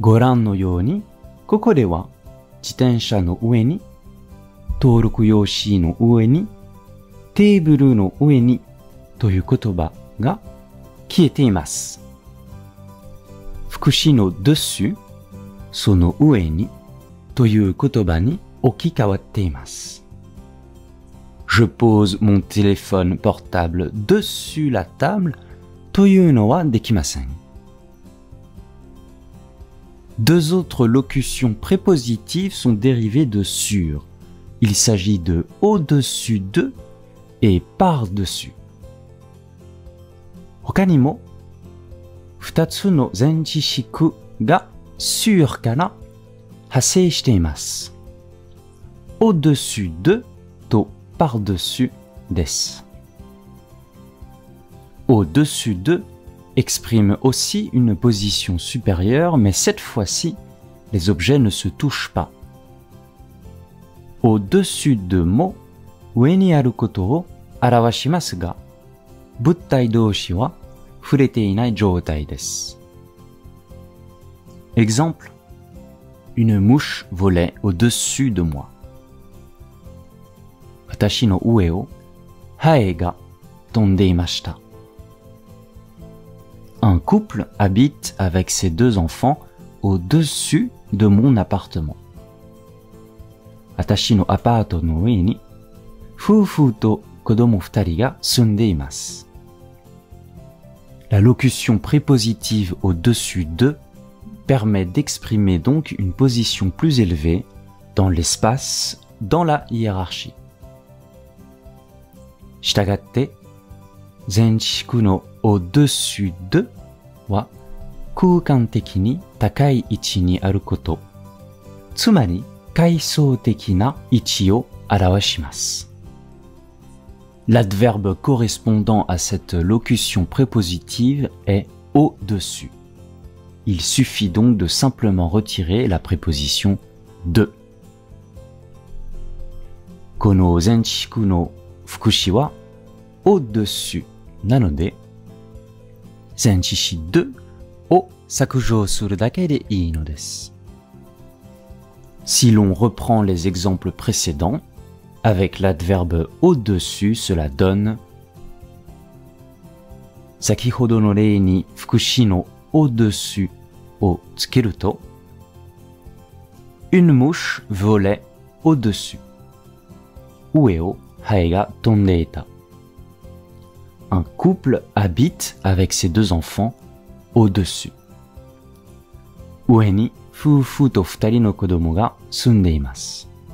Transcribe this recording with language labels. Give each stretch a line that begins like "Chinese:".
Japanese: ご覧のように、ここでは、自転車の上に、登録用紙の上に、テーブルの上にという言葉が消えています。福祉の dessus、その上にという言葉に置き換わっています。
French: Je pose mon téléphone portable dessus la table
Japanese: というのはできません。
French: Deux autres locutions prépositives sont dérivées de sur. Il s'agit de au-dessus de et par-dessus.
Japanese: 他にも 2つの前置詞が sur から派生しています。 au-dessus de と par-dessus です。
French: au-dessus de exprime aussi une position supérieure, mais cette fois-ci, les objets ne se touchent pas.
Japanese: au-dessus de も上にあることを表しますが、物体同士は触れていない状態です。
French: Exemple: Une mouche volait au-dessus de moi.
Japanese: 私の上をハエが飛んでいました。
French: Un couple habite avec ses deux enfants au-dessus de mon appartement.
Japanese: 私のアパートの上に夫婦と子供二人が住んでいます。
French: La locution prépositive au-dessus de permet d'exprimer donc une position plus élevée dans l'espace, dans la hiérarchie.
Japanese: したがって、前置詞の au-dessus de は空間的に高い位置にあること、つまり階層的な位置を表します。
French: L'adverbe correspondant à cette locution prépositive est au-dessus. Il suffit donc de simplement retirer la préposition de.
Japanese: この前置詞の副詞は au-dessus なので、前置詞de を削除するだけでいいのです。
French: Si l'on reprend les exemples précédents,Avec l'adverbe au-dessus, cela donne
Japanese: 先ほどの例に副詞の au-dessus をつけると
French: Une mouche volait au-dessus
Japanese: 上をハエが飛んでいた
French: Un couple habite avec ses deux enfants au-dessus
Japanese: 上に夫婦と二人の子供が住んでいます